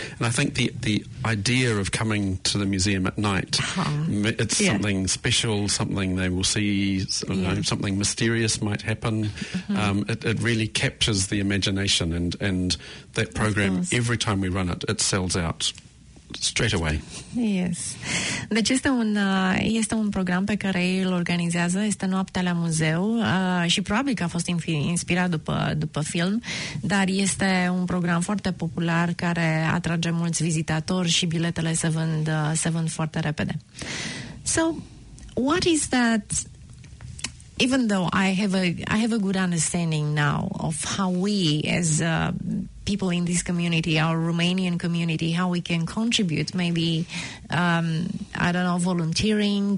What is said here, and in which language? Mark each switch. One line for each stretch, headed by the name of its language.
English: And I think the idea of coming to the museum at night, it's yeah. something special, something they will see, yeah. you know, something mysterious might happen. Mm-hmm. It really captures the imagination, and that program, every time we run it, it sells out straight away. Yes.
Romanian: Deci este un program pe care ei îl organizează, este Noaptea la Muzeu și probabil că a fost inspirat după film, dar este un program foarte popular care atrage mulți vizitatori și biletele se vând foarte repede.
English: So, what is that, even though I have a good understanding now of how we as people in this community, our Romanian community, how we can contribute, maybe, I don't know, volunteering.